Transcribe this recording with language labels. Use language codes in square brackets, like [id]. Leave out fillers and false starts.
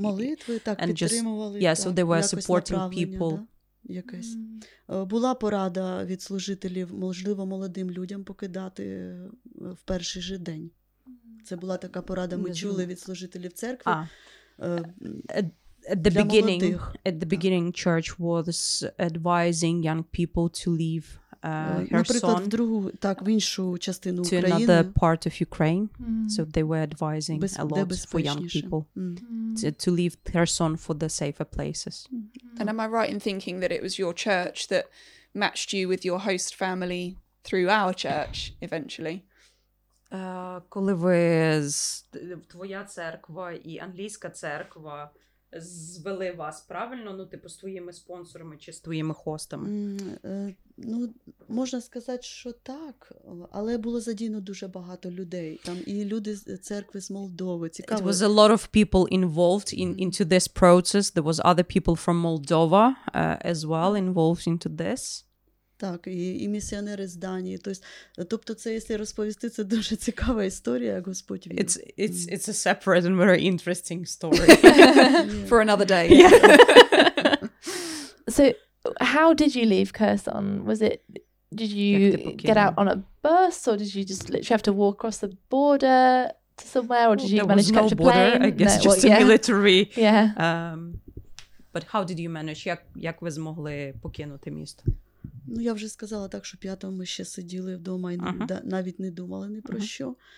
[uk] молитви так and підтримували. [en] Just, yeah, so they were supporting people. [uk] Да? Якась. Була порада від служителів, можливо, молодим людям покидати в перший же день. Це була така порада, ми чули від служителів церкви. [en] At the beginning, church was advising young people to leave Kherson. [uk] Наприклад, в іншу частину України. [en] To another part of Ukraine. Mm-hmm. So they were advising a lot for young people mm-hmm. to leave Kherson for the safer places. Mm-hmm. And am I right in thinking that it was your church that matched you with your host family through our church eventually? [uk] Коли ви твоя церква і англійська церква звели вас правильно, ну, типу, з твоїми спонсорами чи з твоїми хостами? Ну, можна сказати, що так, але було задіяно дуже багато людей. Там і люди з церкви з Молдови. Цікаво. [en] It was a lot of people involved into this process. There was other people from Moldova as well involved into this. [uk] Так, і місіонери з Данії. Тобто це, якщо розповісти, це дуже цікава історія, як Господь вів. [en] It's a separate and very interesting story for another day. So, how did you leave Kherson? Was it, did you get out on a bus or did you just literally have to walk across the border to somewhere or did you manage to catch a plane? There was no border, I guess, military. Yeah. But how did you manage? [uk] Як ви змогли покинути місто? Ну, я вже сказала так, що 5-го ми ще сиділи вдома і навіть не думали ні про що.